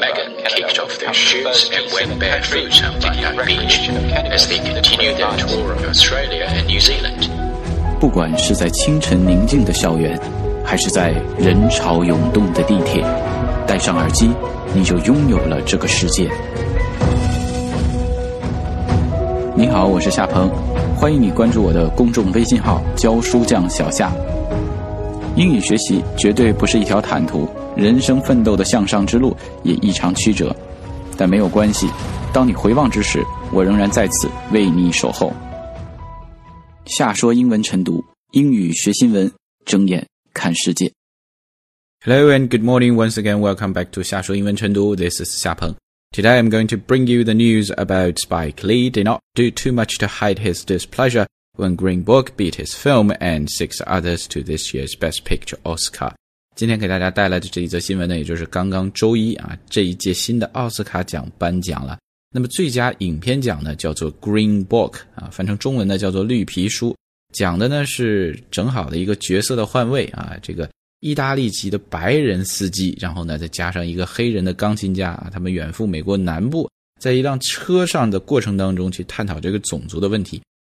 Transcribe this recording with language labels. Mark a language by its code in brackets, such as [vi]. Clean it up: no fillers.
[en] Megan kicked off their shoots and went barefoot on Bondi Beach as they continued their tour of Australia and New Zealand. [zh] 不管是在清晨宁静的校园，还是在人潮涌动的地铁，戴上耳机，你就拥有了这个世界。你好，我是夏鹏，欢迎你关注我的公众微信号教书匠小夏。英语学习绝对不是一条坦途，人生奋斗的向上之路也异常曲折，但没有关系，当你回望之时，我仍然在此为你守候。夏说英文晨读，英语学新闻，睁眼看世界。 [en] Hello and good morning once again, welcome back to 夏说英文晨读， this is 夏鹏。 Today I'm going to bring you the news about Spike Lee did not do too much to hide his displeasure when Green Book beat his film and six others to this year's Best Picture Oscar. [zh] 今天给大家带来的这一则新闻呢，也就是刚刚周一啊，这一届新的奥斯卡奖颁奖了。那么最佳影片奖呢，叫做 Green Book, 啊，翻成中文呢叫做绿皮书。讲的呢是正好的一个角色的换位啊，这个意大利籍的白人司机，然后呢再加上一个黑人的钢琴家，他们远赴美国南部，在一辆车上的过程当中去探讨这个种族的问题。